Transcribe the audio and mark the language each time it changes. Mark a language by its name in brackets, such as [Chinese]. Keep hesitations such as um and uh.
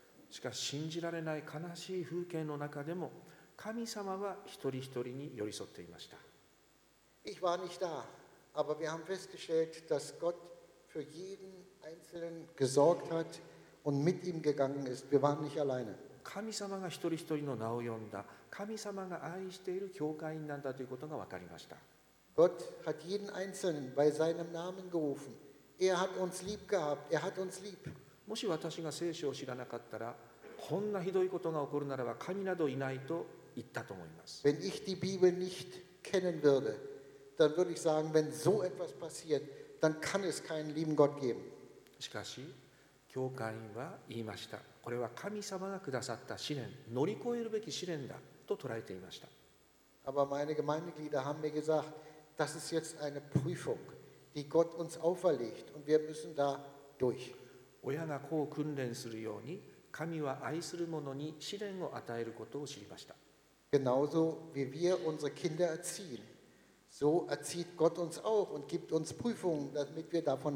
[Japanese] しかし信じられない悲しい風景の中でも神様は一人一人に寄り添っていました。 [German] Ich war nicht da, aber wir haben festgestellt, dass Gott für jeden Einzelnen gesorgt hat und mit ihm gegangen ist. Wir waren nicht alleine. [Japanese] 神様が一人一人の名を呼んだ、神様が愛している教会員なんだということが分かりました。 [German] Gott hat jeden Einzelnen bei seinem Namen gerufen. Er hat uns lieb gehabt. Er hat uns lieb. [Japanese] もし私が聖書を知らなかったら、こんなひどいことが起こるならば、神などいないと言ったと思います。 [German] Wenn ich die Bibel nicht kennen würde, dann würde ich sagen, wenn so etwas passiert, dann kann es keinen lieben Gott geben. [Japanese] しかし、教会員は言いました。これは神様がくださった試練、乗り越えるべき試練だと捉えていました。 [German] Aber meine Gemeindeglieder haben mir gesagt, das ist jetzt eine Prüfung, die Gott uns auferlegt und wir müssen da durch. [Japanese] 親が子を訓練するように、神は愛する者に試練を与えることを知りました。 [German] Genauso wie wir unsere Kinder erziehen, so erzieht Gott uns auch und gibt uns Prüfungen, damit wir davon